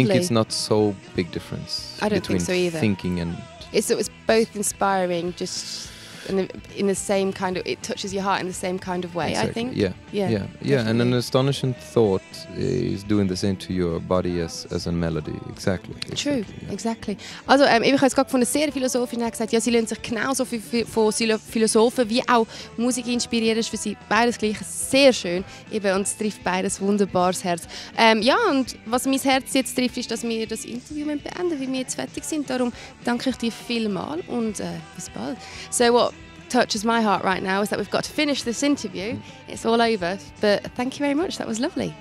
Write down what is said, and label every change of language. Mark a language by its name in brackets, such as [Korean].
[English] And I think it's not so big difference I don't between think so either. Thinking and It's both inspiring, just in the same kind of, it touches your heart in the same kind of way, exactly. I think. Yeah, yeah, yeah. Yeah. And an astonishing thought is doing the same to your body as a melody, exactly. True, exactly. Yeah. Exactly. [German] Also, ich habe es gerade von einer sehr Philosophin gesagt, ja, sie lernt sich genauso viel von Philosophen wie auch Musik inspirieren, ist für sie beides gleich sehr schön, eben, und es trifft beides wunderbares Herz. Ja, und was mein Herz jetzt trifft, ist, dass wir das Interview beenden müssen, weil wir jetzt fertig sind. Darum danke ich dir vielmals und bis bald. [English] So, what touches my heart right now is that we've got to finish this interview. It's all over, but thank you very much. That was lovely.